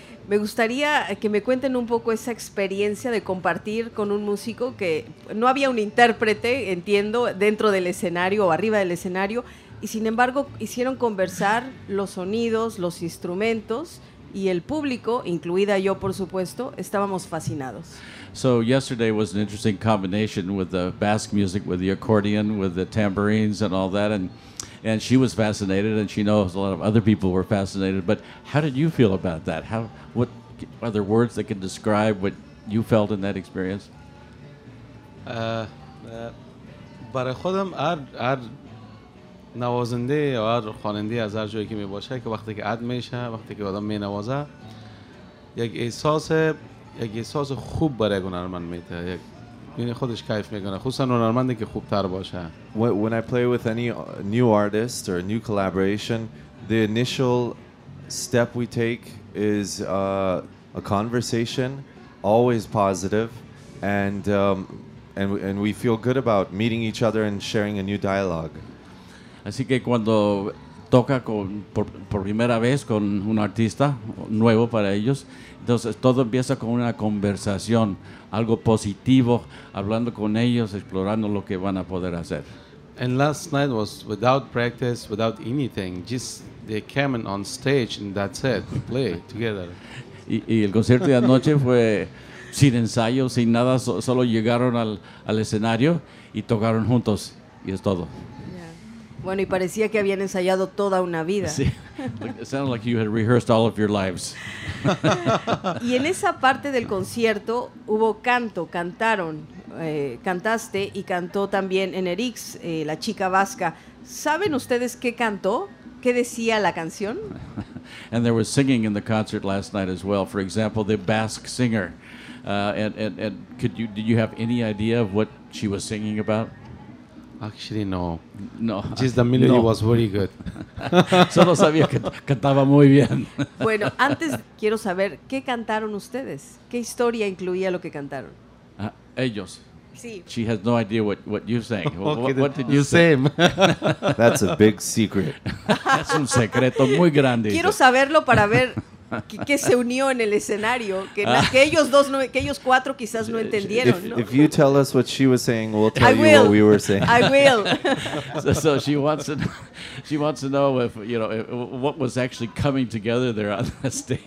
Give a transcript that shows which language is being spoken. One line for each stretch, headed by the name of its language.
Spanish: Me gustaría que me cuenten un poco esa experiencia de compartir con un músico que no había un intérprete, entiendo, dentro del escenario o arriba del escenario, y sin embargo hicieron conversar los sonidos, los instrumentos y el público, incluida yo por supuesto, estábamos fascinados.
English: So yesterday was an interesting combination with the Basque music, with the accordion, with the tambourines and all that, and she was fascinated, and she knows a lot of other people were fascinated, but how did you feel about that? What are there words that can describe what you felt in that experience?
Persian: برای خودم هر نوازنده یا هر خواننده از هر جایی که می باشه که وقتی که عد میشه وقتی که آدم می نوازه یک احساس خوب برای هنرمند میده
English: When I play with any new artist or new collaboration, the initial step we take is a conversation, always positive, and we feel good about meeting each other and sharing a new dialogue.
Spanish: Así que cuando toca por primera vez con un artista nuevo para ellos, entonces todo empieza con una conversación. Algo positivo, hablando con ellos, explorando lo que van a poder hacer.
English: And last night was without practice, without anything. Just they came on stage and that's it. We play together.
Spanish: Y el concierto de anoche fue sin ensayo, sin nada. Solo llegaron al escenario y tocaron juntos. Y es todo.
English: Yeah.
Spanish: Bueno, y parecía que habían ensayado toda una vida. Sí.
English: It sounded like you had rehearsed all of your lives.
Spanish: Y en esa parte del concierto hubo canto, cantaron, cantaste y cantó también Enerix, la chica vasca. ¿Saben ustedes qué cantó? ¿Qué decía la canción?
English: And there was singing in the concert last night as well. For example, the Basque singer. And could you, did you have any idea of what she was singing about? Actually, no. No. Just the melody was very good.
Spanish: Solo sabía que cantaba muy bien. Bueno, antes quiero saber, ¿qué cantaron ustedes? ¿Qué historia incluía lo que cantaron? Ellos. Sí.
English: She has no idea what you sang. Okay, what did you say? Same. That's a big secret.
Spanish: Es un secreto muy grande. Quiero saberlo para ver qué se unió en el escenario. Que ellos dos, no, que ellos cuatro quizás no entendieron.
English: If you tell us what she was saying, we'll tell you what we were saying. I will. So she wants to know if, you know, what was actually coming together there on the stage.